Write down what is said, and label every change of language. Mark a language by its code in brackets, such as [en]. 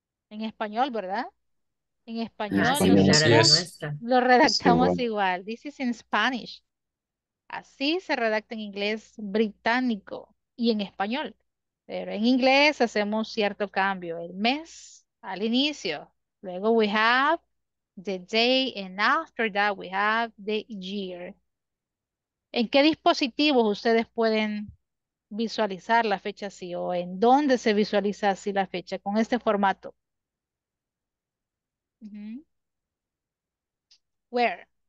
[es] En español, ¿verdad? En En español español, nosotros sí es lo redactamos igual. igual. [en] This is in Spanish. [es] Así se redacta en inglés británico y en español. Pero en inglés hacemos cierto cambio. El mes al inicio. Luego [en] we have the day and after that we have the year. [es] ¿En qué dispositivos ustedes pueden visualizar la fecha así? ¿O en dónde se visualiza así la fecha con este formato? [en] Where?